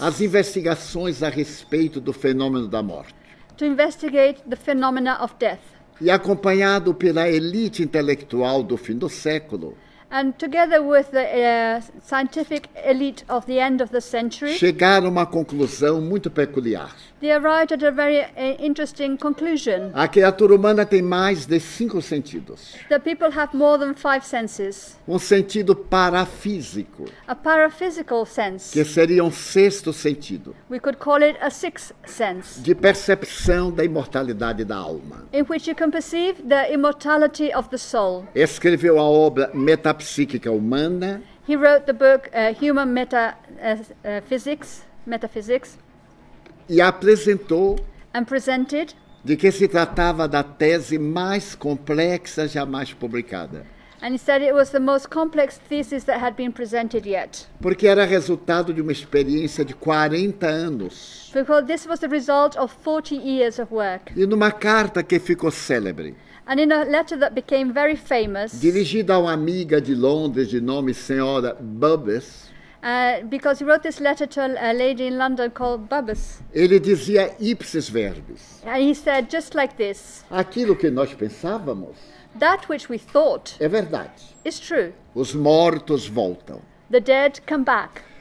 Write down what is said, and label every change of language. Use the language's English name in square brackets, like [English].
[Portuguese] as investigações a respeito do fenômeno da morte, [English] to investigate the phenomena of death. [Portuguese] E acompanhado pela elite intelectual do fim do século. [English] And together with the scientific elite of the end of the century. [Portuguese] Chegaram a uma conclusão muito peculiar. [English] They arrived at a very interesting conclusion. [Portuguese] A criatura humana tem mais de 5 sentidos. [English] The people have more than 5 senses. [Portuguese] Um sentido parafísico. [English] A paraphysical sense. [Portuguese] Que seria um sexto sentido. [English] We could call it a sixth sense. [Portuguese] De percepção da imortalidade da alma. [English] In which you can perceive the immortality of the soul. [Portuguese] Escreveu a obra Metapsíquica Humana. [English] He wrote the book Human Metaphysics. Metaphysics. [Portuguese] E apresentou [English] and presented [Portuguese] de que se tratava da tese mais complexa jamais publicada. [English] And he said it was the most complex thesis that had been presented yet. [Portuguese] Porque era resultado de uma experiência de 40 anos. [English] Because this was the result of 40 years of work. [Portuguese] E numa carta que ficou célebre. [English] And in a letter that became very famous. [Portuguese] Dirigida a uma amiga de Londres de nome Senhora Bubbes. [English] Because he wrote this letter to a lady in London called Bubbes. [Portuguese] Ele dizia ipsis verbis. [English] And he said just like this. [Portuguese] Aquilo que nós pensávamos. [English] That which we thought. [Portuguese] É verdade. [English] Is true. [Portuguese] Os mortos voltam. [English] The dead come back.